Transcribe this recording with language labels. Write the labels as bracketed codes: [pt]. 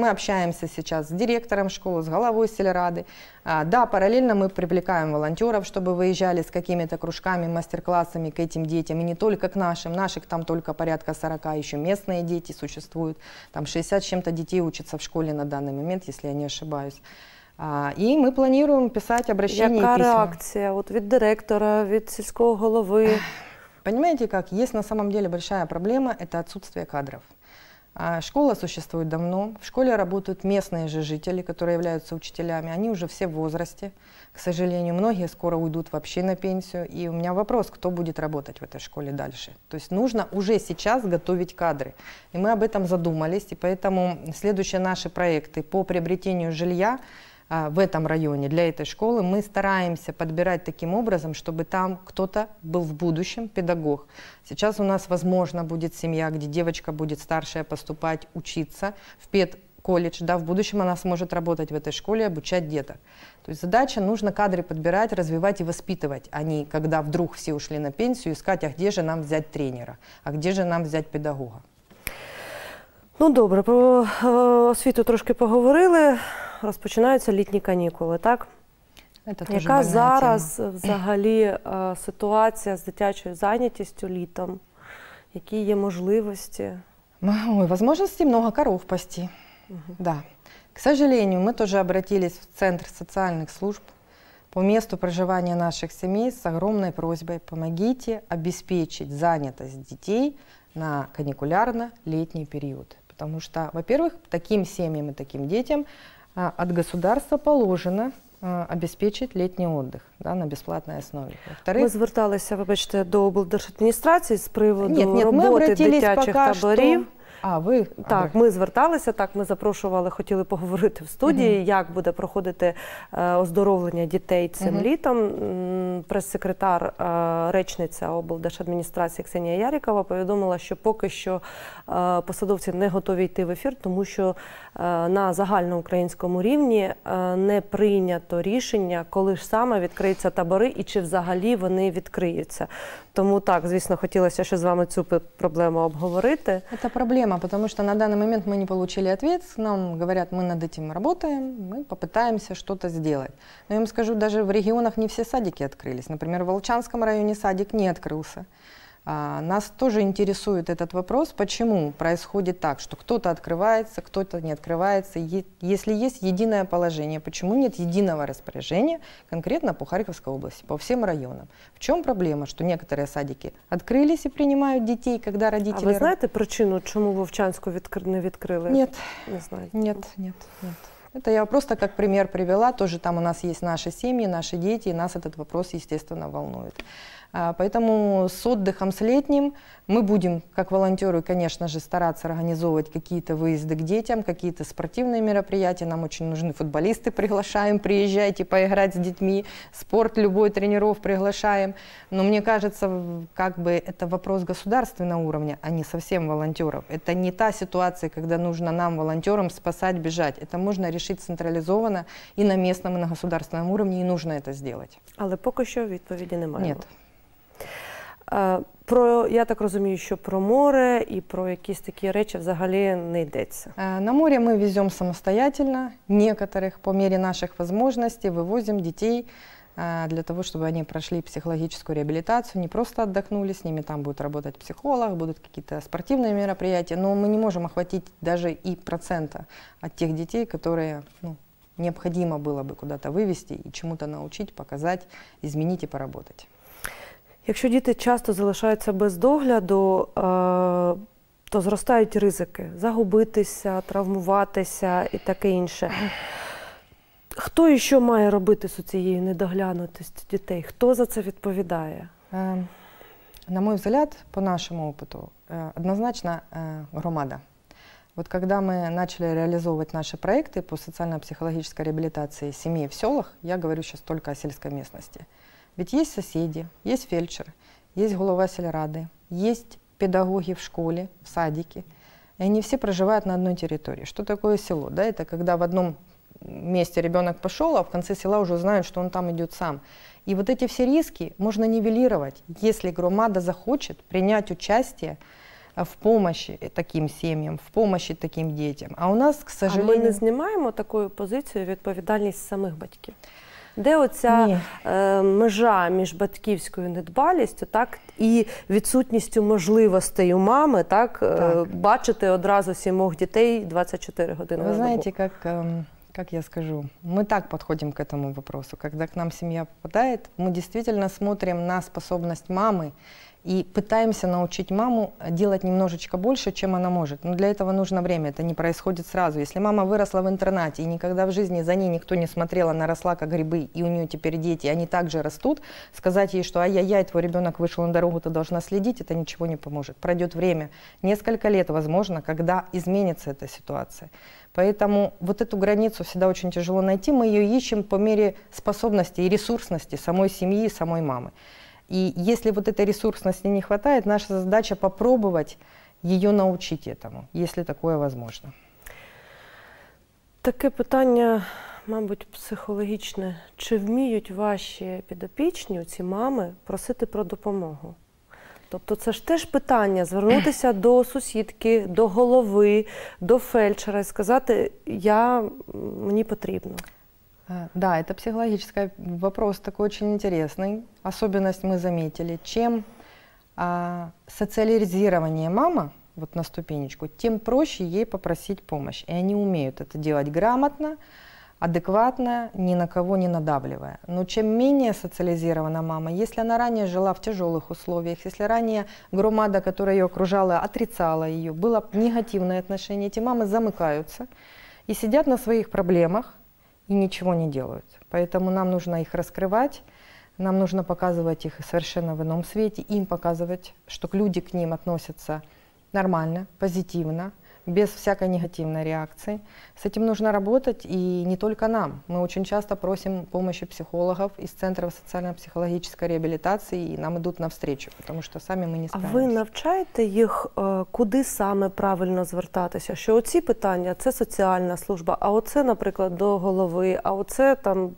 [ru] Мы общаемся сейчас с директором школы, с головой сельрады. Да, параллельно мы привлекаем волонтеров, чтобы выезжали с какими-то кружками, мастер-классами к этим детям, и не только к нашим. Наших там только порядка 40, еще местные дети существуют. Там 60 с чем-то детей учатся в школе на данный момент, если я не ошибаюсь. [uk] І ми плануємо писати обращення. Яка реакція от від директора, від сільського голови? [ru] Понимаете, как? Есть на самом деле большая проблема – это отсутствие кадров. Школа существует давно, в школе работают местные же жители, которые являются учителями. Они уже все в возрасте, к сожалению. Многие скоро уйдут вообще на пенсию. И у меня вопрос, кто будет работать в этой школе дальше? То есть нужно уже сейчас готовить кадры. И мы об этом задумались. И поэтому следующие наши проекты по приобретению жилья в этом районе, для этой школы, мы стараемся подбирать таким образом, чтобы там кто-то был в будущем педагог. Сейчас у нас, возможно, будет семья, где девочка будет старшая поступать, учиться в педколледж, да, в будущем она сможет работать в этой школе, обучать деток. То есть задача, нужно кадры подбирать, развивать и воспитывать, а не когда вдруг все ушли на пенсию, искать, а где же нам взять тренера, а где же нам взять педагога. [uk] Ну, добре, про освіту трошки поговорили. Розпочинаються літні канікули, так? Яка зараз взагалі ситуація з дитячою зайнятістю літом? Які є можливості? Ой, можливості много коров пасти. Да. [ru] К сожалению, [uk] ми теж обратились в центр соціальних служб по месту проживання наших сімей з огромною просьбою: [ru] помогите обеспечить [uk] занятість дітей на канікулярно-літній період. [ru] Потому что, во-первых, таким семьям и таким детям от государства положено обеспечить летний отдых, да, на бесплатной основе. Во-вторых, [uk] мы зверталися, вибачте, до облдержадміністрації з приводу роботи дитячих таборів. А ви так, ми зверталися, так, ми запрошували, хотіли поговорити в студії, як буде проходити оздоровлення дітей цим літом. Прес-секретар речниця облдержадміністрації Ксенія Ярікова повідомила, що поки що посадовці не готові йти в ефір, тому що на загальноукраїнському рівні не прийнято рішення, коли ж саме відкриються табори і чи взагалі вони відкриються. Тому так, звісно, хотілося ще з вами цю проблему обговорити. Це проблема, тому що на даний момент ми не отримали відповідь. Нам говорять, ми над цим працюємо, ми [ru] попытаемся что-то сделать. Но я вам скажу, даже [uk] в регіонах не всі садики відкрились. Наприклад, в Волчанському районі садик не відкрився. [ru] Нас тоже интересует этот вопрос, почему происходит так, что кто-то открывается, кто-то не открывается. Если есть единое положение, почему нет единого распоряжения конкретно по Харьковской области, по всем районам? В чем проблема, что некоторые садики открылись и принимают детей, когда родители... А вы знаете причину, почему Вовчанську не открыли? Нет. Не знаю. Нет, нет, нет. Это я просто как пример привела. Тоже там у нас есть наши семьи, наши дети, и нас этот вопрос, естественно, волнует. Поэтому с отдыхом, с летним мы будем, как волонтеры, конечно же, стараться организовывать какие-то выезды к детям, какие-то спортивные мероприятия. Нам очень нужны футболисты, приглашаем, приезжайте поиграть с детьми. Спорт любой, тренеров приглашаем. Но мне кажется, как бы это вопрос государственного уровня, а не совсем волонтеров. Это не та ситуация, когда нужно нам, волонтерам, спасать, бежать. Это можно решить централизованно и на местном, и на государственном уровне, и нужно это сделать. [uk] Але поки що відповіді немає. [ru] Нет. [uk] Про, я так розумію, що про море і про якісь такі речі взагалі не йдеться. На море ми веземо самостоятельно, некоторих по мірі наших можливостей вивозимо дітей для того, щоб вони пройшли психологічну реабілітацію, не просто віддохнули, з ними там буде працювати психолог, будуть якісь спортивні мероприятия, але ми не можемо охватити навіть і процента від тих дітей, які, ну, необхідно було б куди-то вивезти і чому-то навчити, показати, змінити і поработати. Якщо діти часто залишаються без догляду, то зростають ризики – загубитися, травмуватися і таке інше. Хто ще має робити з цією недоглянутістю дітей? Хто за це відповідає? На мій взгляд, по нашому опиту, однозначно громада. [ru] Вот когда мы начали реализовывать наши проекты по социально-психологической реабилитации семей в селах, я говорю сейчас только о сельской местности, ведь есть соседи, есть фельдшер, есть голова сельрады, есть педагоги в школе, в садике, и они все проживают на одной территории. Что такое село? Да, это когда в одном месте ребенок пошел, а в конце села уже знают, что он там идет сам. И вот эти все риски можно нивелировать, если громада захочет принять участие в помощи таким семьям, в помощи таким детям. А у нас, к сожалению... А мы не снимаем такую позицию ответственность самих батьків? [uk] Де оця межа між батьківською недбалістю, так, і відсутністю можливостей у мами, так, бачити одразу сімох дітей 24 години на добу? Ви знаєте, як я скажу, ми так підходимо [ru] к этому вопросу. Когда к нам [uk] сім'я попадає, ми дійсно смотримо на способність мами і [ru] пытаемся научить маму делать немножечко больше, чем она может. Но для этого нужно время, это не происходит сразу. Если мама выросла в интернате, и никогда в жизни за ней никто не смотрел, она росла как грибы, и у нее теперь дети, они также растут, сказать ей, что ай-яй-яй, твой ребенок вышел на дорогу, ты должна следить, это ничего не поможет. Пройдет время, несколько лет, возможно, когда изменится эта ситуация. Поэтому вот эту границу всегда очень тяжело найти, мы ее ищем по мере способности и ресурсности самой семьи и самой мамы. И если вот этой ресурсности не хватает, наша задача попробовать ее научить этому, если такое возможно. [uk] Таке питання, мабуть, психологічне. Чи вміють ваші підопічні, ці мами, просити про допомогу? Тобто це ж теж питання – звернутися до сусідки, до голови, до фельдшера і сказати, мені потрібно. [ru] Да, это психологический вопрос такой очень интересный. Особенность мы заметили. Чем социализирование мама вот на ступенечку, тем проще ей попросить помощь. И они умеют это делать грамотно, адекватно, ни на кого не надавливая. Но чем менее социализирована мама, если она ранее жила в тяжелых условиях, если ранее громада, которая ее окружала, отрицала ее, было негативное отношение, эти мамы замыкаются и сидят на своих проблемах, и ничего не делают. Поэтому нам нужно их раскрывать, нам нужно показывать их совершенно в ином свете, им показывать, что люди к ним относятся нормально, позитивно, без всякой негативной реакции. С этим нужно работать, и не только нам. Мы очень часто просим помощи психологов из центров социально-психологической реабилитации, и нам идут навстречу, потому что сами мы не справимся. [uk] А вы навчаете их, куди саме правильно звертатися? Що оці питання – це соціальна служба, а оце, наприклад, до голови, а оце там